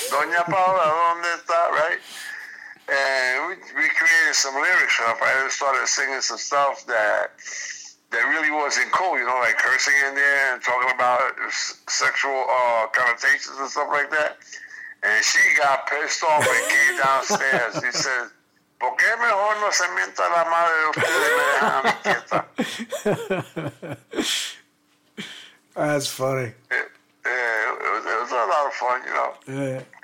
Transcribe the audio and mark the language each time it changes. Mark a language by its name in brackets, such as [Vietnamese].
[English] Doña Paula, [Spanish] ¿dónde está? [English] Right? And we created some lyrics, right? And started singing some stuff that really wasn't cool, you know, like cursing in there and talking about sexual connotations and stuff like that. And she got pissed off and came downstairs. She said, [Spanish] ¿Por qué mejor no se mienta la madre de usted? [English] That's funny. It was a lot of fun, you know.